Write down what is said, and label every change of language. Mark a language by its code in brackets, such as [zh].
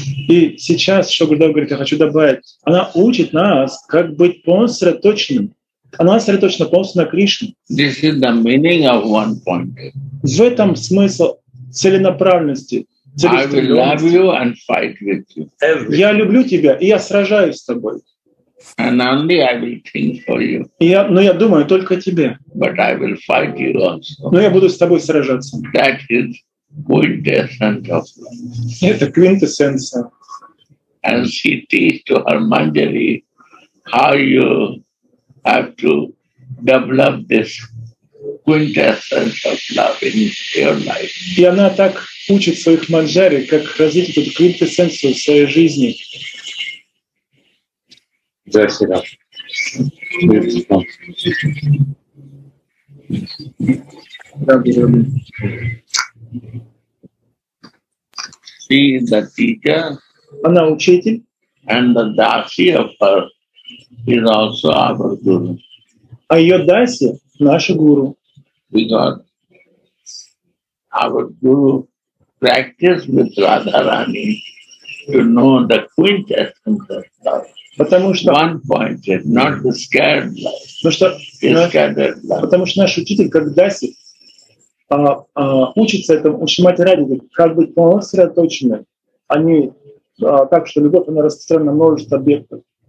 [ru] И сейчас, что Гурдев говорит, я хочу добавить, она учит нас, как быть полусредоточным. Она сосредоточена полностью на Кришне. [en] This is the meaning of one point. [ru] В этом смысл целенаправленности. [en] I will love you and fight with you. [ru] Я люблю тебя, и я сражаюсь с тобой. [en] And only I will think for you. [ru] Но я думаю только о тебе. [en] But I will fight you also. [ru] Но я буду с тобой сражаться. [en] That is quintessence of [ru] life. Это квинтэссенция. [en] And she teaches to her Manjari how you have to develop this quintessence of love in your life. [ru] И она так учит своих манджари, как развить эту квинтэссенцию в своей жизни. Да, всегда. [en] She is the teacher. [ru] Она учитель. [en] And the dasi of her is also our guru. [ru] А ее даси наша гуру. [en] Because our guru practiced with Radharani to know the quintessence of love. [ru] Потому что [en] one point is not the scared love. [ru] Потому что потому что наш учитель как даси учится этому Шримати Радхе, как быть полностью сосредоточенным, а не так, что любовь она расстроена на множество объектов.